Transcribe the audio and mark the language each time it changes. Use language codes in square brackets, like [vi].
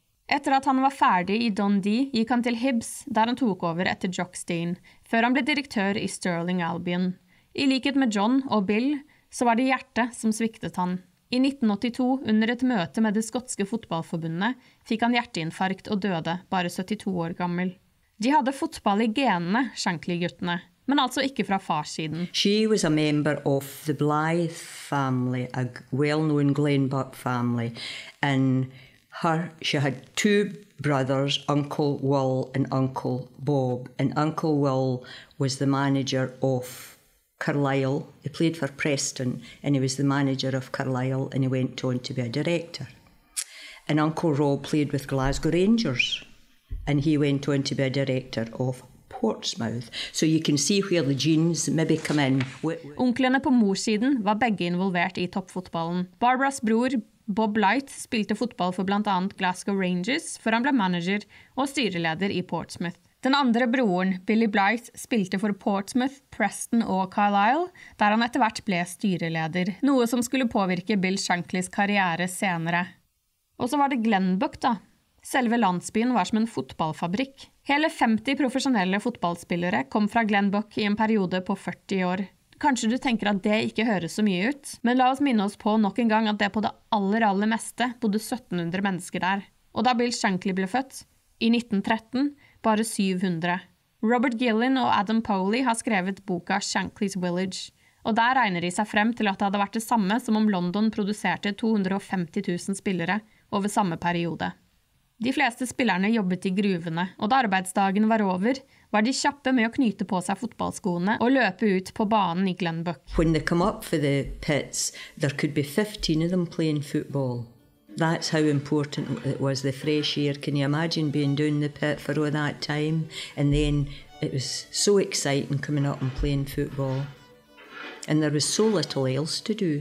[no] Etter at han var ferdig i Dundee, gikk han til Hibs, der han tok over etter Jock Stein, før han ble direktør i Stirling Albion. I likhet med John og Bill, så var det hjertet som sviktet han. I 1982, under et møte med det skotske fotballforbundet, fikk han hjerteinfarkt og døde, bare 72 år gammel. De hadde fotball i genene, Shankly-guttene, men altså ikke fra farssiden. [en] She was a member of the Blythe family, a well-known Glenbuck family, and she had two brothers, Uncle Will and Uncle Bob. And Uncle Will was the manager of Carlisle. He played for Preston and he was the manager of Carlisle and he went on to be a director. And Uncle Rob played with Glasgow Rangers and he went on to be a director of Portsmouth. So you can see where the genes maybe come in. [no] Onklene på morsiden var begge involvert i toppfotballen. Barbaras bror, Bob Light, spilte fotball for blant annet Glasgow Rangers før han ble manager og styreleder i Portsmouth. Den andre broren, Billy Blythe, spilte for Portsmouth, Preston og Carlisle, der han etter hvert ble styreleder, noe som skulle påvirke Bill Shankly's karriere senere. Og så var det Glenbuck da. Selve landsbyen var som en fotballfabrikk. Hele 50 profesjonelle fotballspillere kom fra Glenbuck i en periode på 40 år. Kanskje du tenker at det ikke høres så mye ut, men la oss minne oss på nok en gang at det på det aller aller meste bodde 1700 mennesker der. Og da Bill Shankly ble født, i 1913, bare 700. Robert Gillin og Adam Pauley har skrevet boka Shankly's Village, og der regner de seg frem til at det hadde vært det samme som om London produserte 250 000 spillere over samme periode. De fleste spillerne jobbet i gruvene, og da arbeidsdagen var over, var de kjappe med å knyte på seg fotballskoene og løpe ut på banen i Glenbuck. [en] When they come up for the pits, there could be 15 of them playing football. That's how important it was, the fresh air. Can you imagine being down the pit for all that time? And then it was so exciting coming up and playing football. And there was so little else to do.